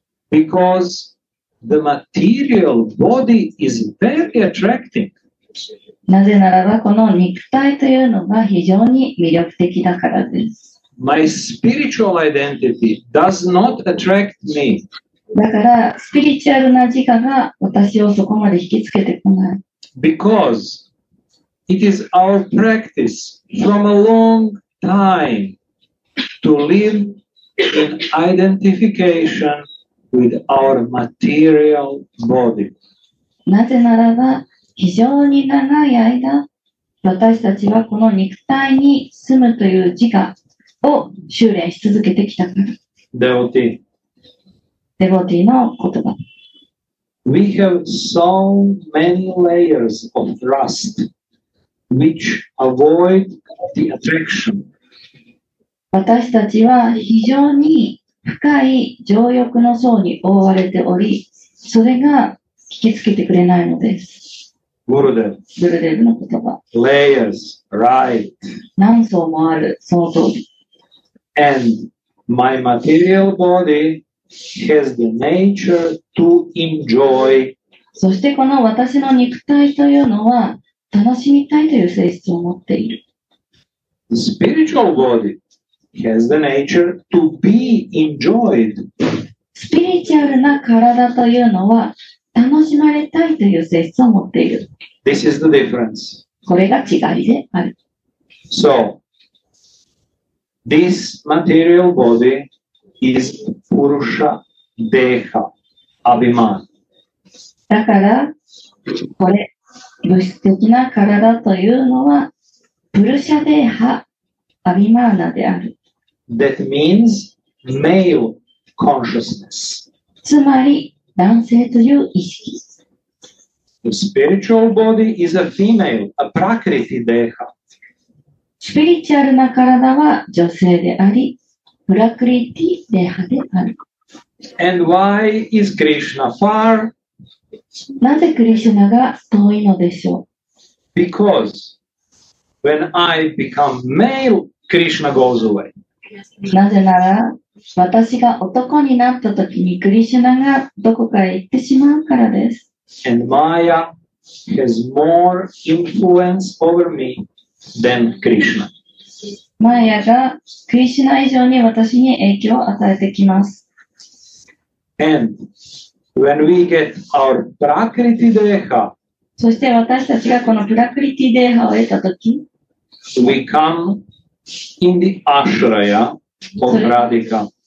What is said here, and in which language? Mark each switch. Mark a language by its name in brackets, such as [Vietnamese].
[English] Because the material body is very attractive. [Japanese] なぜならばこの肉体というのが非常に魅力的だからです。 [English] My spiritual identity does not attract me. [Japanese] だから、スピリチュアルな自我が私をそこまで引きつけてこない。 [English] Because it is our practice from a long time to live in identification with our material body. [Japanese] なぜならば、非常に長い間、私たちはこの肉体に住むという自我を修練し続けてきたから。 [English] Devotee. [Japanese] デボティの言葉。 [English] We have so many layers of rust which avoid the attraction. [Japanese] 私たちは非常に深い情欲の層に覆われており、それが引きつけてくれないのです。グルデブ。グルデブの言葉。 [English] Layers, right. [Japanese] 何層もある、その通り。 [English] And my material body. Has the nature to enjoy. [Japanese] そしてこの私の肉体というのは楽しみたいという性質を持っている。 [English] The spiritual body has the nature to be enjoyed. [Japanese] スピリチュアルな体というのは楽しまれたいという性質を持っている。 [English] This is the difference. [Japanese] これが違いである。 [English] So, this material bodyIs Purusha Deha Abhiman. [Japanese] だからこれ物質的な体というのはプルシャデーハアビマーナである。 [English] That means male consciousness. [Japanese] つまり男性という意識。 [English] The spiritual body is a female, a prakriti deha. [Japanese] スピリチュアルな体は女性であり。プラクリティデハである。 [English] And why is Krishna far? [Japanese] なぜクリシュナが遠いのでしょう [English] ?Because when I become male, Krishna goes away. [Japanese] なぜなら私が男になったときにクリシュナがどこかへ行ってしまうからです。 [English] And Maya has more influence over me than Krishna. [Japanese] マヤがクリシュナ以上に私に影響を与えてきます。 [English] And when we get our prakriti deha, [Japanese] そして私たちがこのプラクリティデーハを得たとき、 [English] we come in the ashraya of Radhika.